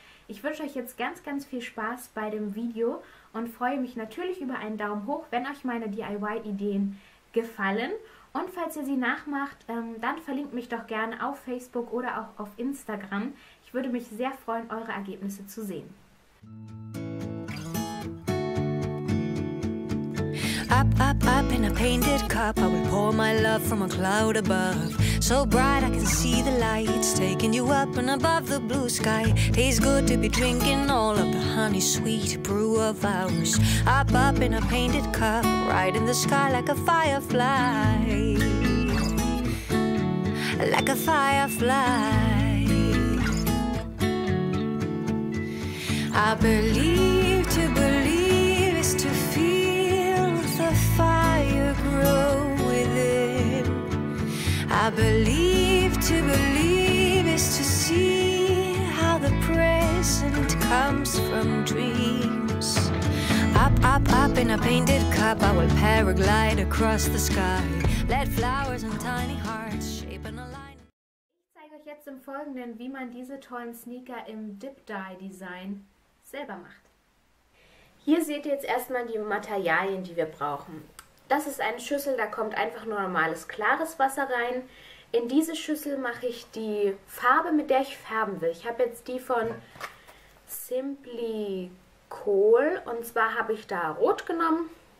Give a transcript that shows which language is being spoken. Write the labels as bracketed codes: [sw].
[de] Ich wünsche euch jetzt ganz, ganz viel Spaß bei dem Video und freue mich natürlich über einen Daumen hoch, wenn euch meine DIY-Ideen gefallen. Und falls ihr sie nachmacht, dann verlinkt mich doch gerne auf Facebook oder auch auf Instagram. Ich würde mich sehr freuen, eure Ergebnisse zu sehen. [en] Up, up, up in a painted cup, I will pour my love from a cloud above. So bright I can see the lights taking you up and above the blue sky. Tastes good to be drinking all of the honey sweet brew of ours. Up, up in a painted cup, right in the sky like a firefly. Like a firefly. I believe to believe is to feel the fire grow within. I believe to believe is to see how the present comes from dreams. Up, up, up in a painted cup, I will paraglide across the sky. Let flowers and tiny hearts shape in a line. [de] Ich zeige euch jetzt im Folgenden, wie man diese tollen Sneaker im Dip-Dye-Design selber macht. Hier seht ihr jetzt erstmal die Materialien, die wir brauchen. Das ist eine Schüssel, da kommt einfach nur normales, klares Wasser rein. In diese Schüssel mache ich die Farbe, mit der ich färben will. Ich habe jetzt die von Simply Kohl und zwar habe ich da Rot genommen.